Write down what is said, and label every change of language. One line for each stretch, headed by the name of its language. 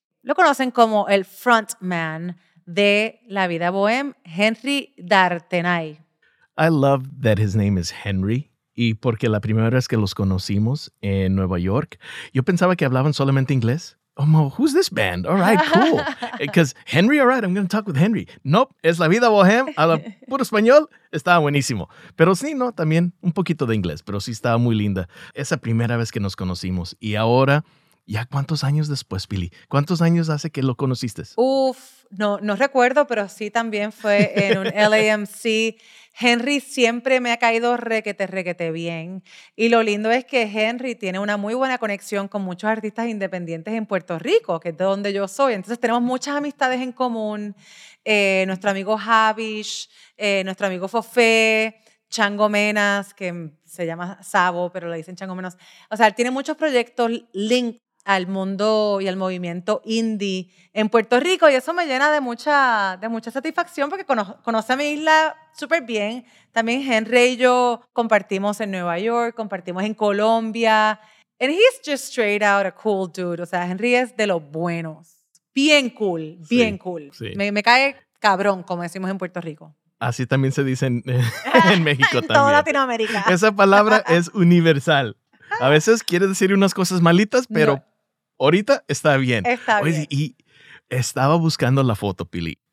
Spanish: Lo conocen como el frontman de La Vida Bohème, Henry D'Artenay.
English: I love that his name is Henry.
Spanish: Y porque la primera vez que los conocimos en Nueva York, yo pensaba que hablaban solamente inglés.
English: Oh, Mo, who's this band? All right, cool. Because Henry, all right, I'm going to talk with Henry.
Spanish: Nope, es La Vida Bohème. Habla puro español. Estaba buenísimo. Pero sí, no, también un poquito de inglés. Pero sí estaba muy linda. Esa primera vez que nos conocimos. Y ahora, ¿ya cuántos años después, Pili? ¿Cuántos años hace que lo conociste? Uf, no recuerdo, pero sí también fue en un LAMC. Henry siempre me ha caído requete, requete bien. Y lo lindo es que Henry tiene una muy buena conexión con muchos artistas independientes en Puerto Rico, que es de donde yo soy. Entonces tenemos muchas amistades en común. Nuestro amigo Javish, nuestro amigo Fofé, Chango Menas, que se llama Savo, pero le dicen Chango Menas. O sea, él tiene muchos proyectos linked al mundo y al movimiento indie en Puerto Rico, y eso me llena de mucha satisfacción porque conoce a mi isla súper bien. También Henry y yo compartimos en Nueva York, compartimos en Colombia.
English: And he's just straight out a cool dude.
Spanish: O sea, Henry es de los buenos.
English: Bien cool, bien
Spanish: sí, cool. Sí. Me cae cabrón, como decimos en Puerto Rico. Así también se dice en México también. En toda Latinoamérica. Esa palabra es universal. A veces quiere decir unas cosas malitas, pero no. Ahorita está bien. Está bien. Y estaba buscando la foto, Pili.